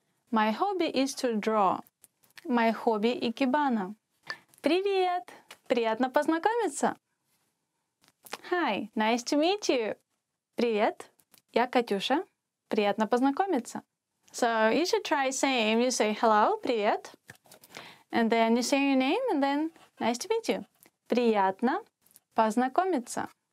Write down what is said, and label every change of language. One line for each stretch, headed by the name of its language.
English: My hobby is to draw. My hobby — икебана.
Russian: Привет! Приятно познакомиться.
English: Hi, nice to meet you.
Russian: Привет, я Катюша. Приятно познакомиться.
English: So you should try same. You say hello, привет. And then you say your name and then nice to meet you.
Russian: Приятно познакомиться.